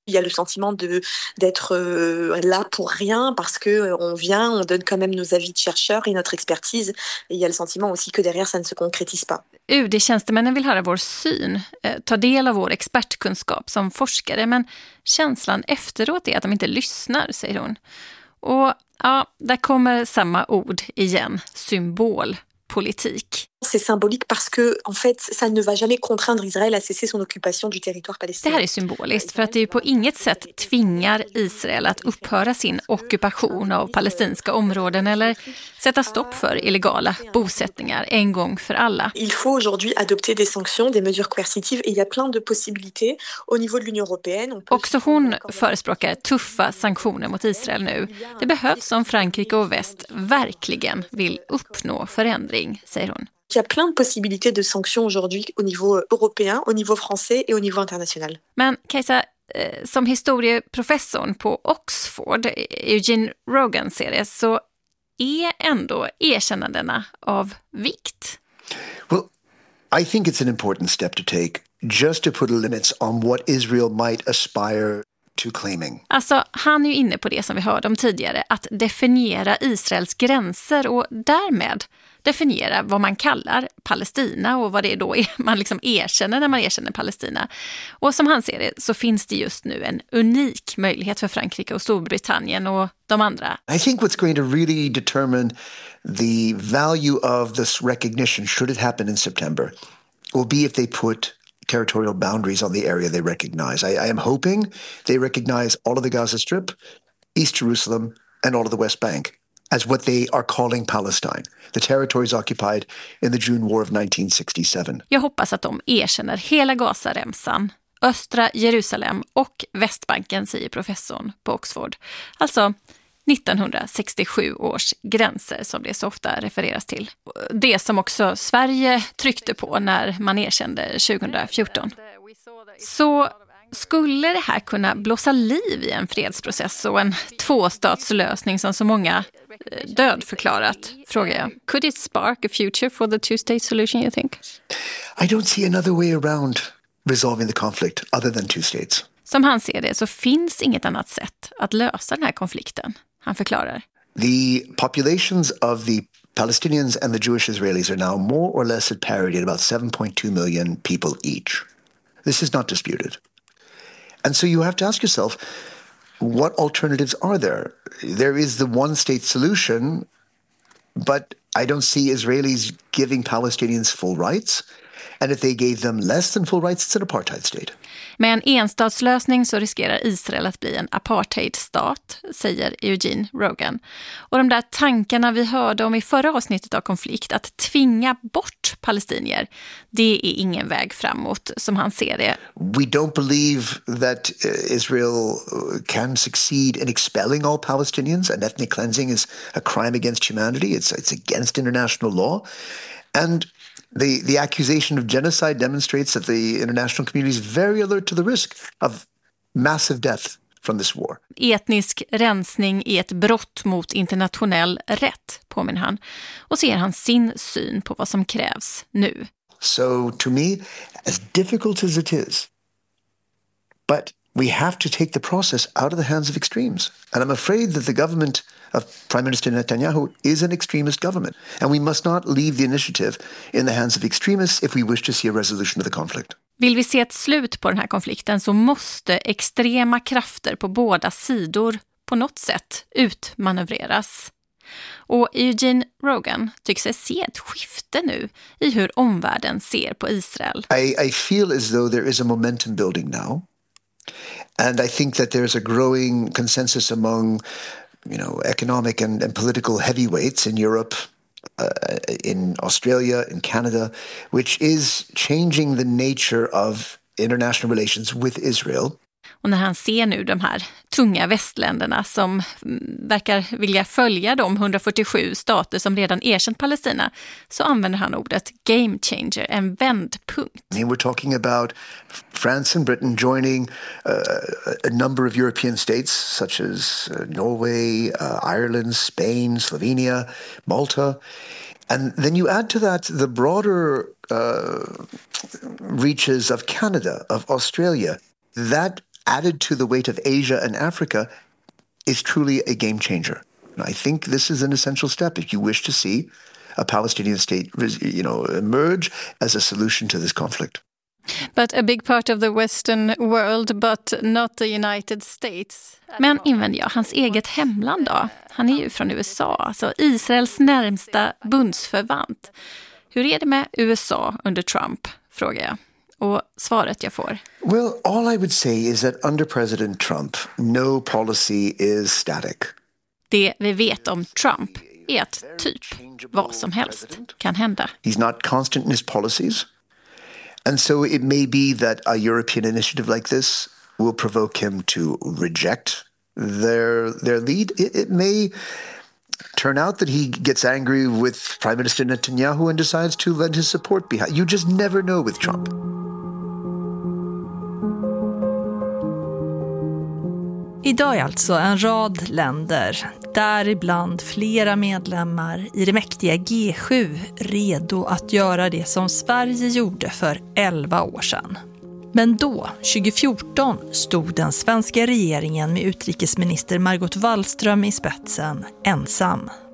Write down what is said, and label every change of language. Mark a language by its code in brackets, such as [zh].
[fr] Il y a le sentiment de d'être là pour rien parce que on vient, on donne quand même nos avis de chercheurs et notre expertise et il y a le sentiment aussi que derrière ça ne se concrétise pas. [sv] UD-tjänstemännen vill höra vår syn, ta del av vår expertkunskap som forskare, men känslan efteråt är att de inte lyssnar, säger hon. Och ja, där kommer samma ord igen, symbol. politik. [fr] C'est symbolique parce que en fait ça ne va jamais contraindre Israël à cesser son occupation du territoire palestinien. [sv] Det här är symboliskt för att det på inget sätt tvingar Israel att upphöra sin ockupation av palestinska områden eller sätta stopp för illegala bosättningar en gång för alla. [fr] Il faut aujourd'hui adopter des sanctions, des mesures coercitives et il y a plein de possibilités au niveau de l'Union européenne. [sv] Också hon förespråkar tuffa sanktioner mot Israel nu. Det behövs om Frankrike och väst verkligen vill uppnå förändring, säger hon. [fr] Il y a plein de possibilités de sanctions aujourd'hui au niveau européen, au niveau français et au niveau international. [sv] Men Kajsa, som historieprofessorn på Oxford, Eugene Rogan ser det, så är ändå erkännandena av vikt. [en] Well, I think it's an important step to take just to put limits on what Israel might aspire to claiming. [sv] Alltså, han är ju inne på det som vi hörde om tidigare, att definiera Israels gränser och därmed definiera vad man kallar Palestina och vad det är då man liksom erkänner när man erkänner Palestina. Och som han ser det så finns det just nu en unik möjlighet för Frankrike och Storbritannien och de andra. [en] I think what's going to really determine the value of this recognition should it happen in September will be if they put territorial boundaries on the area they recognize. I am hoping they recognize all of the Gaza Strip, East Jerusalem and all of the West Bank as what they are calling Palestine, the territories occupied in the June War of 1967. [sv] Jag hoppas att de erkänner hela Gazaremsan, östra Jerusalem och Västbanken, säger professorn på Oxford. Alltså 1967 års gränser som det så ofta refereras till. Det som också Sverige tryckte på när man erkände 2014. Så skulle det här kunna blåsa liv i en fredsprocess och en tvåstatslösning som så många död förklarat, frågar jag. [en] Could it spark a future for the two-state solution, you think? I don't see another way around resolving the conflict other than two states. [sv] Som han ser det så finns inget annat sätt att lösa den här konflikten, han förklarar. [en] The populations of the Palestinians and the Jewish Israelis are now more or less at parity at about 7.2 million people each. This is not disputed. And so you have to ask yourself, what alternatives are there? There is the one state solution, but I don't see Israelis giving Palestinians full rights. And if they gave them less than full rights, it's an apartheid state. [sv] Med en enstatslösning så riskerar Israel att bli en apartheidstat, säger Eugene Rogan. Och de där tankarna vi hörde om i förra avsnittet av konflikt, att tvinga bort palestinier, det är ingen väg framåt som han ser det. [en] We don't believe that Israel can succeed in expelling all Palestinians, and ethnic cleansing is a crime against humanity. It's against international law. And the accusation of genocide demonstrates that the international community is very alert to the risk of massive death from this war. [sv] Etnisk rensning är ett brott mot internationell rätt, påminner han, och ser han sin syn på vad som krävs nu. [en] So to me, as difficult as it is, but we have to take the process out of the hands of extremes. And I'm afraid that the government of Prime Minister Netanyahu is an extremist government. And we must not leave the initiative in the hands of extremists if we wish to see a resolution of the conflict. [sv] Vill vi se ett slut på den här konflikten så måste extrema krafter på båda sidor på något sätt utmanövreras. Och Eugene Rogan tycks se ett skifte nu i hur omvärlden ser på Israel. [en] I feel as though there is a momentum building now. And I think that there's a growing consensus among, you know, economic and political heavyweights in Europe, in Australia, in Canada, which is changing the nature of international relations with Israel. [sv] Och när han ser nu de här tunga västländerna som verkar vilja följa de 147 stater som redan erkänt Palestina, så använder han ordet game changer, en vändpunkt. [en] I mean, we're talking about France and Britain joining a number of European states such as Norway, Ireland, Spain, Slovenia, Malta. And then you add to that the broader reaches of Canada, of Australia. That added to the weight of Asia and Africa is truly a game changer. And I think this is an essential step if you wish to see a Palestinian state, you know, emerge as a solution to this conflict. But a big part of the Western world, but not the United States. [sv] Men invänder jag, hans eget hemland då? Han är ju från USA, alltså Israels närmsta bundsförvant. Hur är det med USA under Trump, frågar jag. Och svaret jag får. [en] Well, all I would say is that under President Trump, no policy is static. [sv] Det vi vet om Trump är att typ vad som helst kan hända. [en] He's not constant in his policies. And so it may be that a European initiative like this will provoke him to reject their lead. It may turn out that he gets angry with Prime Minister Netanyahu and decides to lend his support behind. You just never know with Trump. [sv] Idag är alltså en rad länder, däribland flera medlemmar i det mäktiga G7, redo att göra det som Sverige gjorde för 11 år sedan. Men då, 2014, stod den svenska regeringen med utrikesminister Margot Wallström i spetsen ensam.